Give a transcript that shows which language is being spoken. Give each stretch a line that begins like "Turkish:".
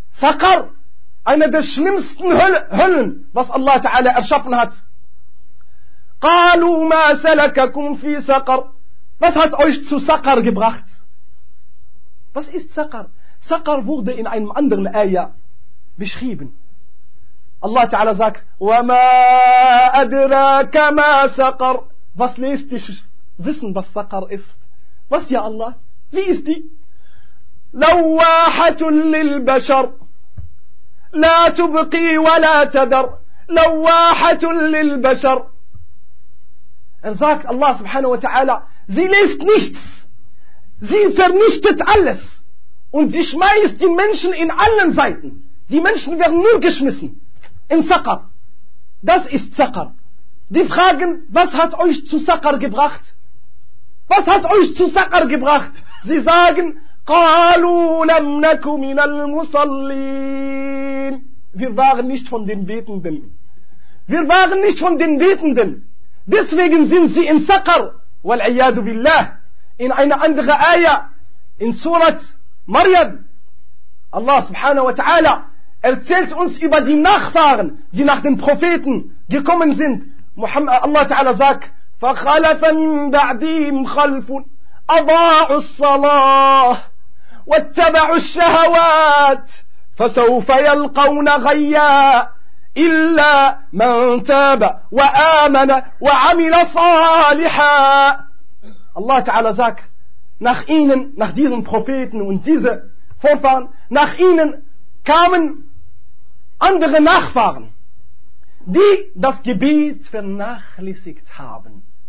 German: Saqar, eine der schlimmsten Höllen, was Allah Ta'ala erschaffen hat.
Arabic: قالوا ما سلككم في سقر.
German: Was hat euch zu Saqar gebracht? Was ist Saqar? Saqar wurde in einem anderen Ayah beschrieben. Allah Ta'ala sagt,
Arabic: وَمَا أَدْرَاكَ مَا سَقَر.
German: Was lässt dich wissen, was Saqar ist? Was, ja Allah? Wie ist die?
Arabic: لَوَّاحَةٌ لِلْبَشَر. لَا تُبْقِي وَلَا تَدَر. لَوَّاحَةٌ لِلْبَشَر.
German: Er sagt, Allah subhanahu wa ta'ala, sie lässt nichts. Sie vernichtet alles. Und sie schmeißt die Menschen in allen Seiten. Die Menschen werden nur geschmissen. In Saqar. Das ist Saqar. Die fragen, was hat euch zu Saqar gebracht? Was hat euch zu Saqar gebracht? Sie sagen,
Arabic: قالوا لم نكن من المصلين.
German: Wir waren nicht von den Betenden. Wir waren nicht von den Betenden. Deswegen sind sie in Saqar, wal'iyadu billah. In eine andere Aya, in Surat Maryam, Allah subhanahu wa ta'ala erzählt uns über die Nachfahren, die nach den Propheten gekommen sind. Allah ta'ala sagt,
Arabic: فَخَلَفَ مِنْ بَعْدِهِمْ خَلْفٌ أَضَاعُوا الصَّلَاةِ وَاتَّبَعُوا الشَّهَوَاتِ فَسَوْفَ يَلْقَوْنَ غَيَّا إلا من تاب وآمن وعمل صالحا.
German: Allah Ta'ala sagt, nach ihnen, nach diesen Propheten und diese Vorfahren, nach ihnen kamen andere Nachfahren, die das Gebet vernachlässigt haben.